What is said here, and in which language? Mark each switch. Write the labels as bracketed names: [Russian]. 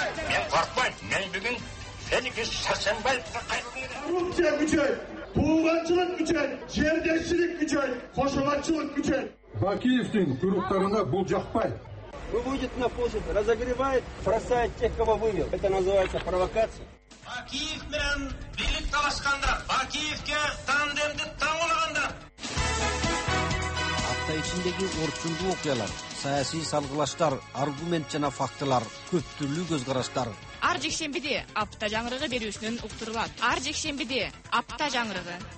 [Kyrgyz] Мен коркпойм, мен бүгүн Феликс Сарсенбаевге кайрылдым. Бул күчөйт, тууганчылык күчөйт, жердешчилик күчөйт, кошуначылык күчөйт. Бакиевдин куруктарына бул жакпайт. [Russian] Выводит на площадь, разогревает, бросает тех, кого вывел. Это называется провокация. [Kyrgyz] Бакиев менен билик талашканда, Бакиевке тандемди таңылганда. Апта ичиндеги орчундуу окуялар, саясий салгылаштар, аргумент жана фактылар, көп түрлүү көз караштар. Ар жекшембиде апта жаңырыгы берүүсүнөн уктурулат. Ар жекшембиде апта жаңырыгы.